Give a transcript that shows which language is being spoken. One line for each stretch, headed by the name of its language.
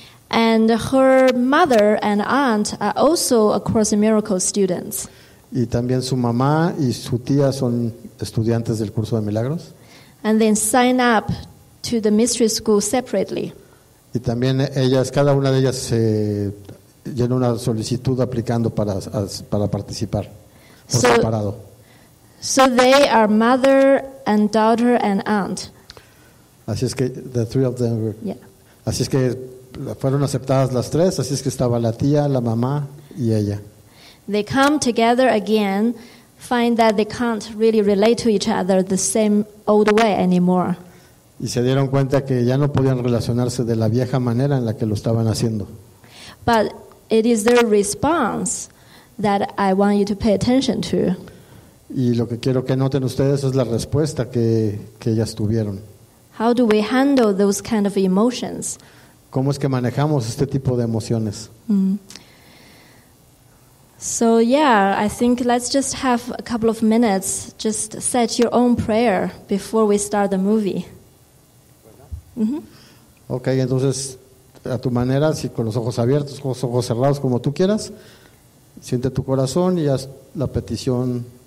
English: And her mother and aunt are also A Course in Miracles students.
Spanish: Y también su mamá y su tía son estudiantes del curso de milagros.
English: And they sign up to the mystery school separately.
Spanish: Y también ellas, cada una de ellas se llenó una solicitud aplicando para participar por separado.
English: So they are mother and daughter and aunt.
Spanish: Así es que
English: the three of them were. Yeah.
Spanish: Así es que fueron aceptadas las tres, así es que estaba la tía, la mamá y ella.
English: They come together again, find that they can't really relate to each other the same old way anymore.
Spanish: Y se dieron cuenta que ya no podían relacionarse de la vieja manera en la que lo estaban haciendo.
English: But it is their response that I want you to pay attention to.
Spanish: Y lo que quiero que noten ustedes es la respuesta que ellas tuvieron.
English: How do we handle those kind of emotions?
Spanish: ¿Cómo es que manejamos este tipo de emociones? Mm.
English: So yeah, I think let's just have a couple of minutes, just set your own prayer before we start the movie. Mm-hmm.
Spanish: Okay, entonces a tu manera, si con los ojos abiertos, con los ojos cerrados, como tú quieras, siente tu corazón y haz la petición.